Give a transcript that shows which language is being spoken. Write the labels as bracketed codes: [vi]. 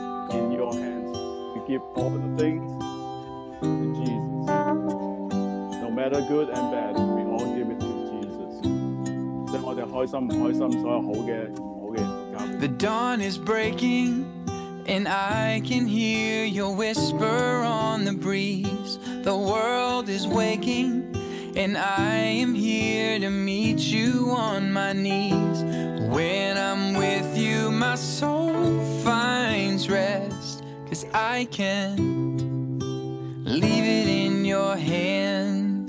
[en] In your hands, we give all the things to Jesus. No matter good and bad, we all give it to Jesus. [yue] 將我哋開心唔開心，所有好嘅唔好嘅交俾。 [en] The dawn is breaking, and I can hear your whisper on the breeze. The world is waking, and I am here to meet you on my knees. When I'm with you, my soul finds rest, 'cause I can leave it in your hands.